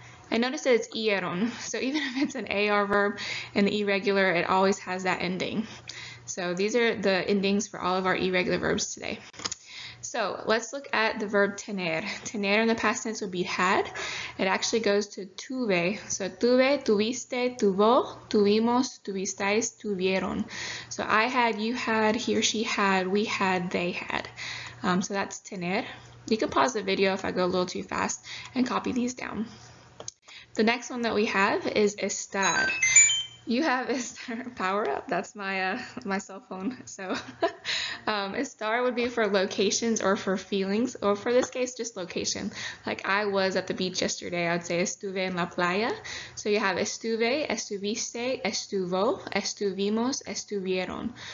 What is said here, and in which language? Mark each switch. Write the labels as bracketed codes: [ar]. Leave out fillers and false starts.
[en] And notice that it's ieron, so even if it's an AR verb in the irregular, it always has that ending. So these are the endings for all of our irregular verbs today. So let's look at the verb tener. Tener in the past tense would be had. It actually goes to tuve. [es] So tuve, tuviste, tuvo, tuvimos, tuvisteis, tuvieron. [en] So I had, you had, he or she had, we had, they had. So that's tener. You can pause the video if I go a little too fast and copy these down. The next one that we have is estar. You have estar, power up, that's my my cell phone. So estar would be for locations or for feelings, or for this case, just location. Like I was at the beach yesterday, I'd say [es] estuve en la playa. [en] So you have [es] estuve, estuviste, estuvo, estuvimos, estuvieron.